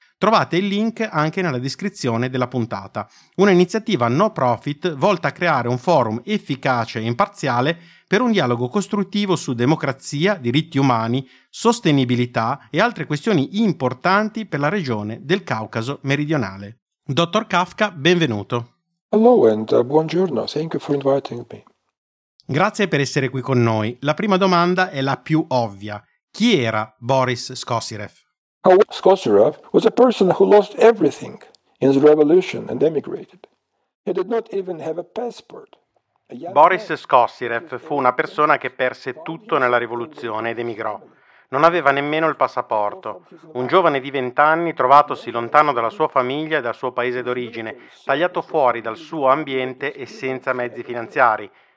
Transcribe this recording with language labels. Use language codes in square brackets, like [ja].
[it] Trovate il link anche nella descrizione della puntata, un'iniziativa no profit volta a creare un forum efficace e imparziale per un dialogo costruttivo su democrazia, diritti umani, sostenibilità e altre questioni importanti per la regione del Caucaso meridionale. Dottor Kafka, benvenuto. [en] Hello and buongiorno, thank you for inviting me. [it] Grazie per essere qui con noi. La prima domanda è la più ovvia. Chi era Boris Skossireff? [en] Skossireff was a person who lost everything in the revolution and emigrated. He did not even have a passport. [it] Boris Skossireff fu una persona che perse tutto nella rivoluzione ed emigrò. Non aveva nemmeno il passaporto. Un giovane di 20 anni trovatosi lontano dalla sua famiglia e dal suo paese d'origine, tagliato fuori dal suo ambiente e senza mezzi finanziari.